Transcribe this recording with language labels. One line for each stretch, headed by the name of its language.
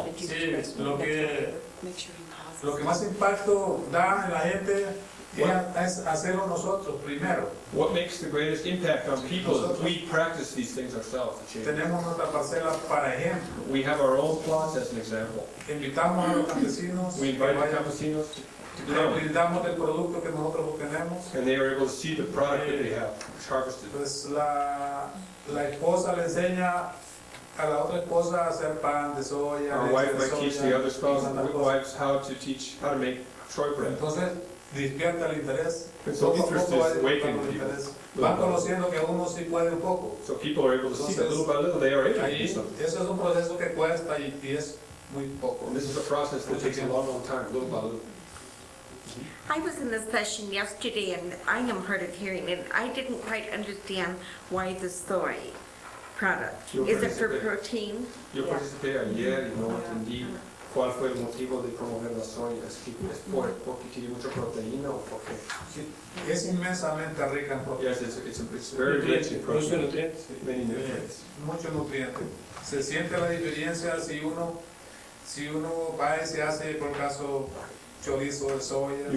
Spanish: Sí, lo que más impacto da en la gente hacerlo nosotros primero.
English: What makes the greatest impact on people if we practice these things ourselves to change?
Spanish: Tenemos nuestra parcela para ejemplo.
English: We have our own plots as an example.
Spanish: Invitamos a los campesinos.
English: We invite the campesinos.
Spanish: Damos el producto que nosotros obtenemos.
English: And they are able to see the product that they have harvested.
Spanish: Pues la esposa le enseña a la otra esposa a hacer pan de soya.
English: Our wife might teach the other spouse, the wives, how to make choy bread.
Spanish: Entonces despierta el interés.
English: And so interest is awakening people.
Spanish: Van conociendo que uno sí puede un poco.
English: So people are able to see that little by little they are able to do something.
Spanish: Eso es un proceso que cuesta y es muy poco.
English: This is a process that takes a long, long time, little by little. I was in this session yesterday, and I am hard of hearing, and I didn't quite understand why the soy product. Is it for protein?
Spanish: Yo participé ayer y no entendí cuál fue el motivo de promover la soya. ¿Es porque tiene mucha proteína o por qué? Es inmensamente rica en proteína.
English: Yes, it's very rich in protein.
Spanish: Mucho nutriente.
English: Many nutrients.
Spanish: Mucho nutriente. Se siente la diferencia si uno va y se hace, por caso, chorizo de soya.